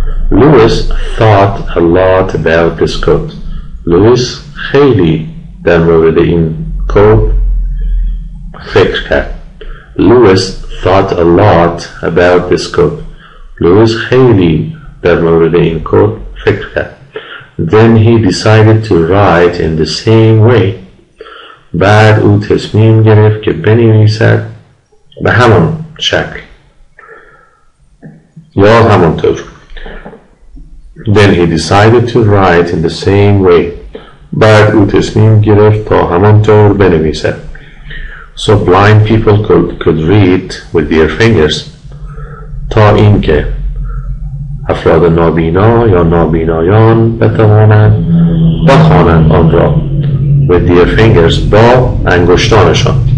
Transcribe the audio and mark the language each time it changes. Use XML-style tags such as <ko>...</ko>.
<en>Lewis thought a lot about this code.</en> <fa>Lewis خیلی در مورد این کد فکر کرد.</fa> <en>Lewis thought a lot about this code.</en> <fa>Lewis خیلی در مورد این کد فکر کرد.</fa> <en>Then he decided to write in the same way.</en> <fa>بعد او تصمیم گرفت که بنویسد به همان شکل یا همانطور.</fa> <en>Then he decided to write in the same way.</en> <fa>بعد او تصمیم گرفت تا همانطور بنویسد.</fa> <en>So blind people could read with their fingers.</en> <fa>تا اینکه افراد نابینا یا نابینایان بتوانند بخوانند آن را</fa> <en>with their fingers،</en> <fa>با انگشتانشان.</fa>